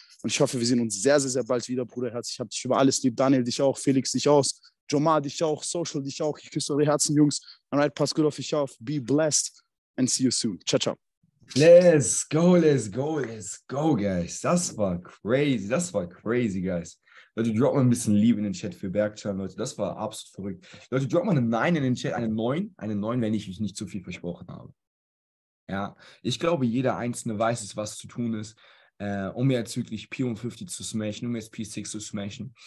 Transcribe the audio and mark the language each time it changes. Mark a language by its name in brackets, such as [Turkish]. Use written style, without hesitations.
[German] Und ich hoffe, wir sehen uns sehr, sehr, sehr bald wieder, Bruder. Herz, ich hab dich über alles lieb. Daniel, dich auch. Felix, dich auch. Jomar, dich auch. Social, dich auch. Ich küsse eure Herzen, Jungs. Alright, pass gut auf dich auf. [English] Be blessed and see you soon. [Italian] Ciao, ciao. [English] Let's go, let's go, let's go, guys. [German] Das war crazy. Das war crazy, guys. Leute, drop mal ein bisschen Liebe in den Chat für Bergchan, Leute. Das war absolut verrückt. Leute, drop mal eine 9 in den Chat, eine 9. Eine 9, wenn ich mich nicht zu viel versprochen habe. Ja, ich glaube, jeder Einzelne weiß es, was zu tun ist, um jetzt wirklich P150 zu smashen, um jetzt P6 zu smashen.